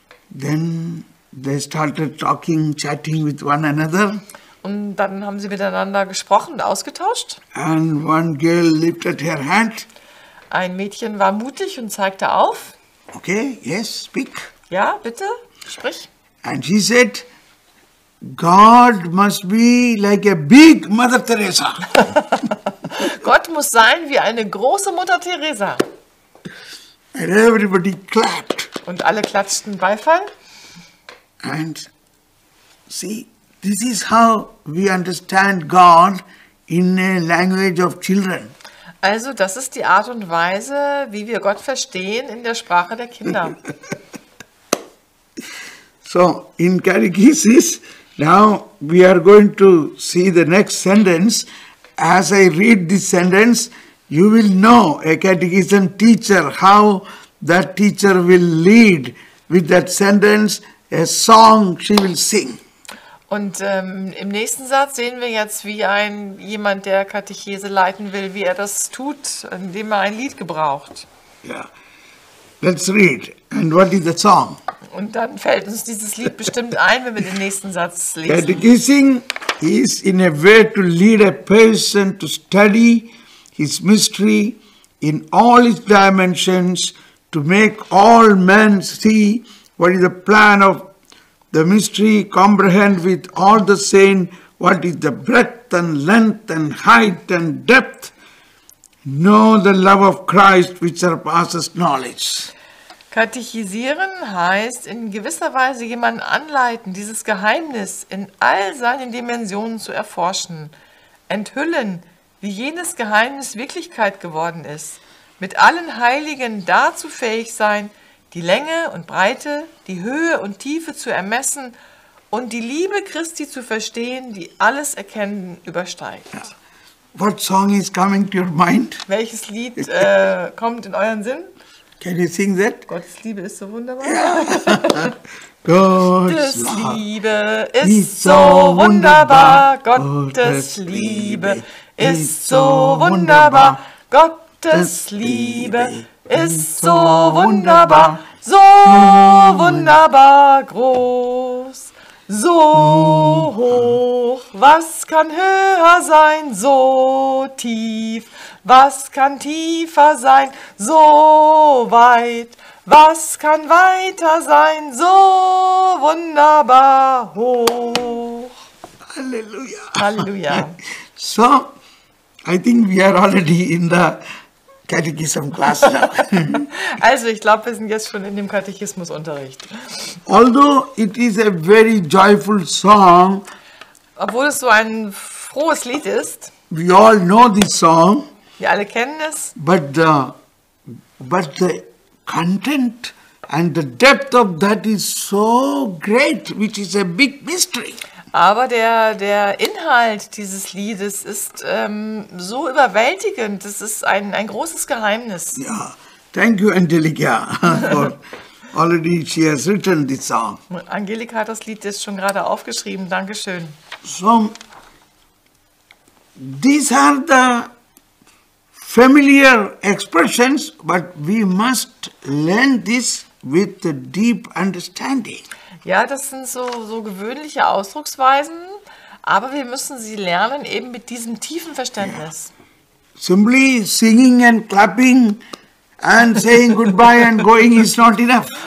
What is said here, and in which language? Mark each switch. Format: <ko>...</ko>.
<en>Then they started talking, chatting with one another.</en> <de>Und dann haben sie miteinander gesprochen und ausgetauscht.</de> <en>And one girl lifted her hand.</en> <de>Ein Mädchen war mutig und zeigte auf.</de> <en>Okay, yes, speak.</en> <de>Ja, bitte, sprich.</de> <en>And she said, God must be like a big Mother Teresa.</en> <de>Gott muss sein wie eine große Mutter Teresa.</de> <en>And everybody clapped.</en> <de>Und alle klatschten Beifall.</de> <en>And see, this is how we understand God in a language of children.</en> <de>Also, das ist die Art und Weise, wie wir Gott verstehen in der Sprache der Kinder.</de> <en>So, in catechesis, now we are going to see the next sentence. As I read this sentence, you will know a catechism teacher, how that teacher will lead with that sentence. A song she will sing.</en> <de>Und im nächsten Satz sehen wir jetzt, wie jemand, der Katechese leiten will, wie er das tut, indem er ein Lied gebraucht.</de> <en>Yeah. Let's read. And what is the song?</en> <de>Und dann fällt uns dieses Lied bestimmt ein, wenn wir den nächsten Satz lesen.</de> <en>Catechizing is in a way to lead a person to study his mystery in all its dimensions, to make all men see what is the plan of the mystery, comprehend with all the same, what is the breadth and length and height and depth, know the love of Christ which surpasses knowledge.</en> <de>Katechisieren heißt in gewisser Weise jemanden anleiten, dieses Geheimnis in all seinen Dimensionen zu erforschen, enthüllen, wie jenes Geheimnis Wirklichkeit geworden ist, mit allen Heiligen dazu fähig sein, die Länge und Breite, die Höhe und Tiefe zu ermessen und die Liebe Christi zu verstehen, die alles Erkennen übersteigt.</de> <en>Yeah. What song is coming to your mind?</en> <de>Welches Lied kommt in euren Sinn?</de> <en>Can you sing that?</en> <de>Gottes Liebe ist so wunderbar.</de> <en>Yeah.</en> <de>Gottes Liebe ist so wunderbar. Gottes Liebe ist so wunderbar. Gottes Liebe ist so wunderbar, so wunderbar groß, so hoch, was kann höher sein, so tief, was kann tiefer sein, so weit, was kann weiter sein, so wunderbar hoch. Halleluja. Halleluja.</de> <en>So, I think we are already in the Catechism class now.</en> <de>Also, ich glaube, wir sind jetzt schon in dem Katechismusunterricht.</de> <en>Although it is a very joyful song,</en> <de>Obwohl es so ein frohes Lied ist.</de> <en>We all know this song.</en> <de>Wir alle kennen es.</de> <en>But the content and the depth of that is so great, which is a big mystery.</en> <de>Aber der Inhalt dieses Liedes ist so überwältigend. Das ist ein großes Geheimnis.</de> <en>Ja, yeah. Thank you, Angelica. Already she has written this song.</en> <de>Angelika hat das Lied jetzt schon gerade aufgeschrieben. Dankeschön.</de> <en>So, these are the familiar expressions, but we must learn this with a deep understanding.</en> <de>Ja, das sind so gewöhnliche Ausdrucksweisen, aber wir müssen sie lernen eben mit diesem tiefen Verständnis.</de> <en>Yeah. Simply singing and clapping and saying goodbye and going is not enough.</en>